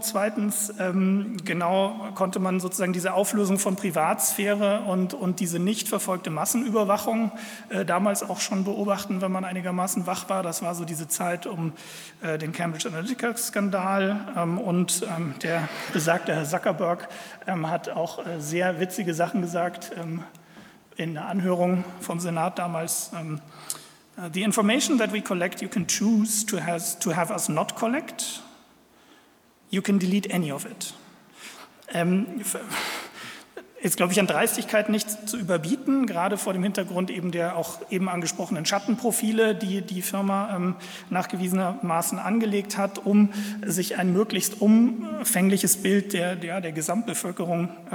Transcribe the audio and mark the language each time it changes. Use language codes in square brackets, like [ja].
[de] Zweitens, genau konnte man sozusagen diese Auflösung von Privatsphäre und diese nicht verfolgte Massenüberwachung damals auch schon beobachten, wenn man einigermaßen wach war. Das war so diese Zeit um den Cambridge Analytica-Skandal. Und der besagte Herr Zuckerberg hat auch sehr witzige Sachen gesagt in einer Anhörung vom Senat damals. [en] The information that we collect, you can choose to have us not collect. You can delete any of it. [de] Ist, glaube ich, an Dreistigkeit nichts zu überbieten, gerade vor dem Hintergrund eben der auch eben angesprochenen Schattenprofile, die die Firma nachgewiesenermaßen angelegt hat, um sich ein möglichst umfängliches Bild der Gesamtbevölkerung